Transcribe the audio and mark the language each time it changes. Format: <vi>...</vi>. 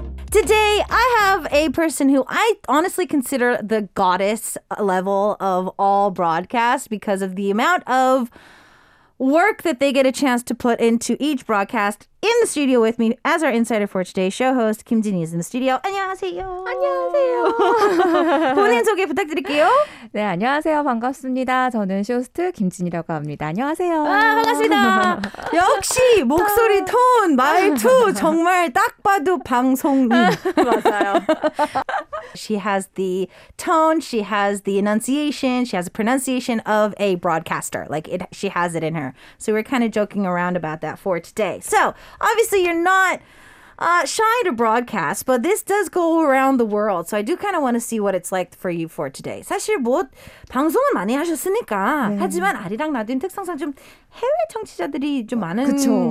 <en>Today, I have a person who I honestly consider the goddess level of all broadcasts because of the amount of work that they get a chance to put into each broadcast. In the studio with me as our insider for today's show host, Kim Jin-hee is in the studio.</en> <ko>안녕하세요. 안녕하세요. 본인 소개 부탁드릴게요. 네, 안녕하세요. 반갑습니다. 저는 쇼스트 김진이라고 합니다. 안녕하세요. 아, 반갑습니다. 역시 목소리 톤, 말투 정말 딱 봐도 방송인. 맞아요.</ko> <en>She has the tone, she has the enunciation, she has a pronunciation of a broadcaster. Like, it, she has it in her. So we're kind of joking around about that for today. So, obviously you're not shy to broadcast, but this does go around the world. So I do kind of want to see what it's like for you for today.</en> <ko>사실 뭐 방송을 많이 하셨으니까 네. 하지만 아리랑 나둔 특성상 좀 해외 청취자들이 좀 많은 그쵸.</ko>